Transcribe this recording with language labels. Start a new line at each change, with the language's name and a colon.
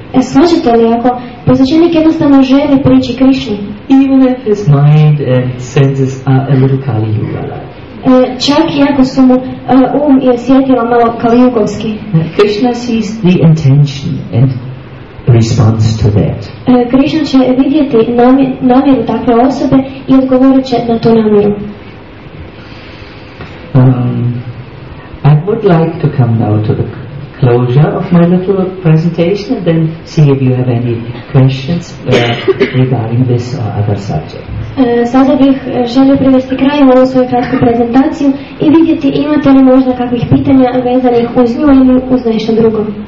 Croatian: Slažete li, ako posvećenik jednostavno želi prići Krishni,
English: even if his mind and senses are a little Kali Yuga like.
Croatian: Čak i ako su mu um i osjetila malo kalijugovski.
English: Krishna sees the intention and responds to that.
Croatian: Krishna će vidjeti namjeru takve osobe i odgovorit će na tu namjeru.
English: I would like to come now to the closure of my little presentation and then see if you have any questions regarding this or other subject.
Croatian: Sada bih želio privesti kraj ovu svoju kratku prezentaciju i vidjeti imate li možda kakvih pitanja vezanih uz nju ili uz nešto drugo.